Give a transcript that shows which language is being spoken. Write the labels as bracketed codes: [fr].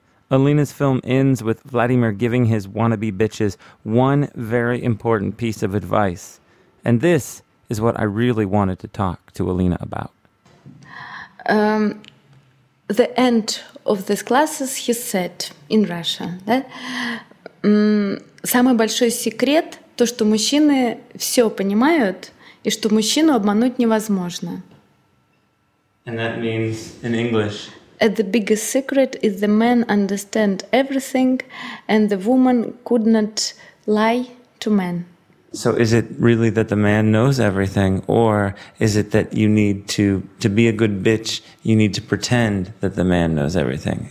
[en] Alina's film ends with Vladimir giving his wannabe bitches one very important piece of advice. And this is what I really wanted to talk to Alina about. The end of this classes, he said in Russia, да? [ru] Самый большой секрет то, что мужчины все понимают и что мужчину обмануть невозможно. [en] And that means in English. At the biggest secret is the man understand everything, and the woman could not lie to man. So is it really that the man knows everything, or is it that you need to be a good bitch, you need to pretend that the man knows everything?